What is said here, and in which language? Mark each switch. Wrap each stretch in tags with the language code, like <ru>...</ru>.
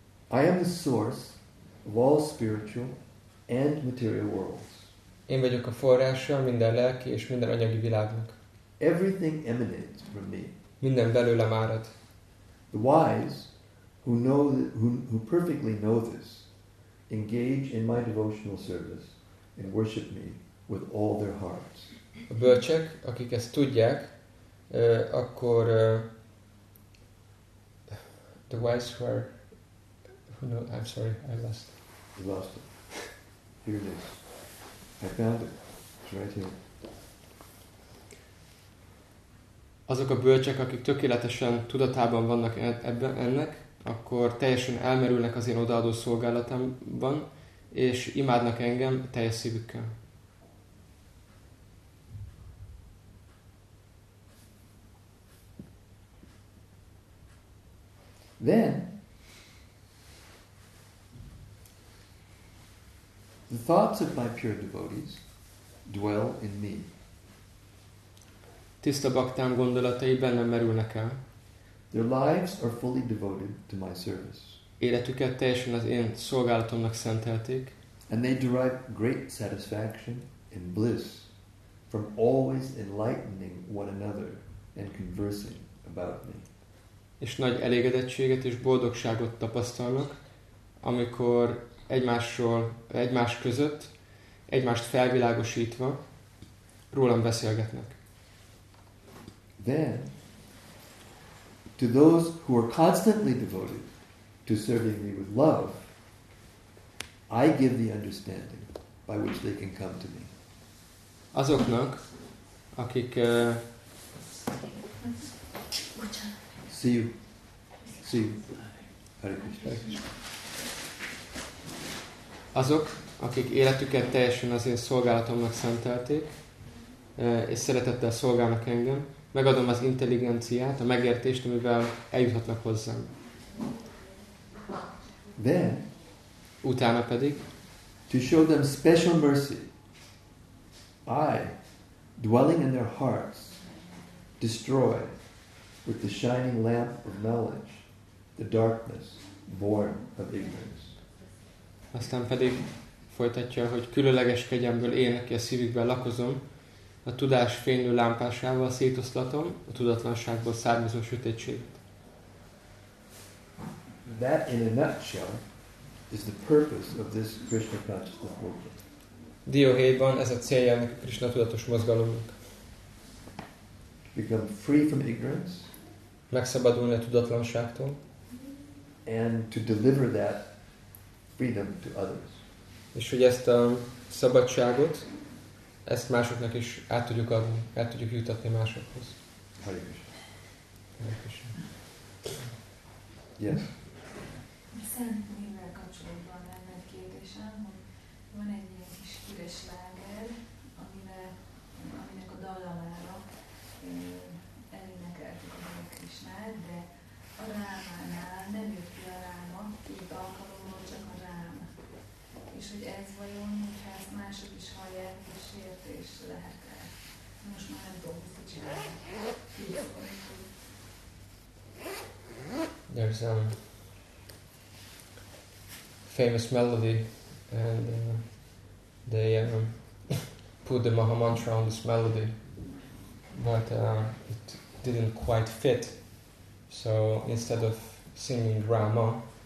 <en>I am the source of all spiritual and material worlds.</en> <hu>Én vagyok a forrása minden lelki és minden anyagi világnak.</hu> <en>Everything emanates from me.</en> <hu>Minden belőlem árad.</hu> <en>The wise who perfectly know this engage in my devotional service and worship me with all their hearts.</en> <hu>A bölcsek, akik ezt tudják, akkor</hu> <en>the wise who are no, I'm sorry, I lost. You lost it. Here it is. I found it. It's right here.</en> <hu>Azok a bölcsek, akik tökéletesen tudatában vannak ebben ennek, akkor teljesen elmerülnek az én odaadó szolgálatomban, és imádnak engem teljes szívükkel.</hu> <en>Then the thoughts of my pure devotees dwell in me.</en> <hu>Tiszta baktám gondolatai bennem merülnek el.</hu> <en>Their lives are fully devoted to my service.</en> <hu>Életüket teljesen az én szolgálatomnak szentelték.</hu> <en>And they derive great satisfaction and bliss from always enlightening one another and conversing about me.</en> <hu>És nagy elégedettséget és boldogságot tapasztalnak, amikor egymás között, egymást felvilágosítva rólam beszélgetnek.</hu> <en>Then, to those who are constantly devoted to serving me with love, I give the understanding by which they can come to me.</en> <hu>Azoknak, akik</hu> <en>See you. Hare Krishna.</en> <hu>Azok, akik életüket teljesen az én szolgálatomnak szentelték, és szeretettel szolgálnak engem, megadom az intelligenciát, a megértést, amivel eljuthatnak hozzám.</hu> <en>Then,</en> <hu>utána pedig,</hu> <en>to show them special mercy, I, dwelling in their hearts, destroy with the shining lamp of knowledge the darkness born of ignorance.</en> <hu>Aztán pedig folytatja, hogy különleges kegyemből én, aki a szívükben lakozom, a tudás fénylő lámpásával szétoszlatom a tudatlanságból származó sötétséget.</hu> <en>That in a nutshell is the purpose of this Krishna consciousness movement.</en> <hu>Dióhéjban ez a célja ennek a Krishna tudatos mozgalomnak.</hu> <en>Become free from ignorance.</en> <hu>Megszabadulni a tudatlanságtól.</hu> <en>And to deliver that freedom to others.</en> <hu>És hogy ezt a szabadságot, ezt másoknak is át tudjuk adni, át tudjuk jutatni másokhoz.</hu> <en>Hare Krishna. Hare Krishna. Yes.</en> <hu>A Szent Névvel kapcsolatban lenne egy kérdésem, hogy van egy ilyen kis üres láger, aminek a dallamára elénekeltük a Hare Krishnát, de a rámánál nem jött ki a ráma, két alkalommal csak a ráma. És hogy ez vajon, hogyha ezt mások is hallják, és értés lehet-e? Most már nem tudom, hogy csinálni.</hu> <en>There's a famous melody and they put the Maha Mantra on this melody, but it didn't quite fit. So instead of singing Rama,</en>